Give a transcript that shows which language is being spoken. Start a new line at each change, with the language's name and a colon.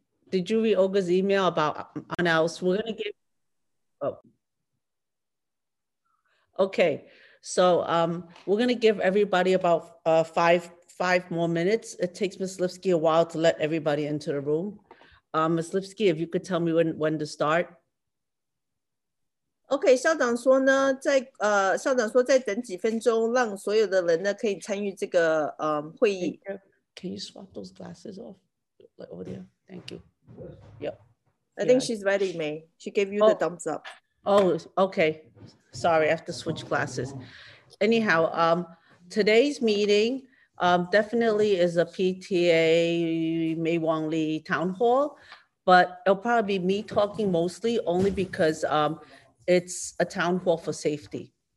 English: Did you read Olga's email about Anels? We're going to give. Oh. Okay, so we're going to give everybody about five more minutes. It takes Ms. Lipsky a while to let everybody into the room. Ms. Lipsky, if you could tell me when to start.
Chinese: OK, 校长说呢，在校长说再等几分钟，让所有的人呢可以参与这个会议。
English: Can you swap those glasses off? Like over there. Thank you. Yep. I think she's ready, May. She gave you the thumbs up. Oh, OK. Sorry, I have to switch glasses. Anyhow, today's meeting definitely is a PTA Mei Wong Li town hall, but it'll probably be me talking mostly only because it's a town hall for safety.